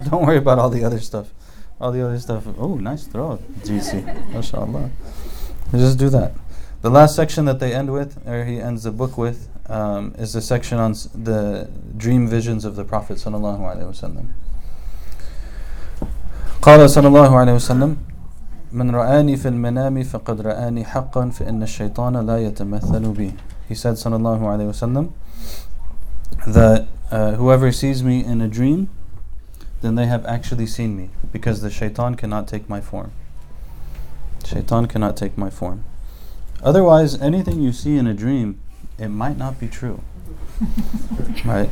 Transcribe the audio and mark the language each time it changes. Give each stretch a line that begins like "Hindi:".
English: Don't worry about all the other stuff. All the other stuff. Oh, nice throw, GC. MashaAllah. Just do that. The last section that they end with, or he ends the book with, is the section on the dream visions of the Prophet sallallahu alayhi wa sallam.
Arabic: Qala sallallahu alayhi wa sallam, من رآني في المنام فقد رآني حقا فإن الشيطان لا يتمثل بي.
English: He said, sallallahu alayhi wa sallam, that whoever sees me in a dream, then they have actually seen me, because the shaitan cannot take my form. Shaitan cannot take my form. Otherwise, anything you see in a dream, it might not be true. Right?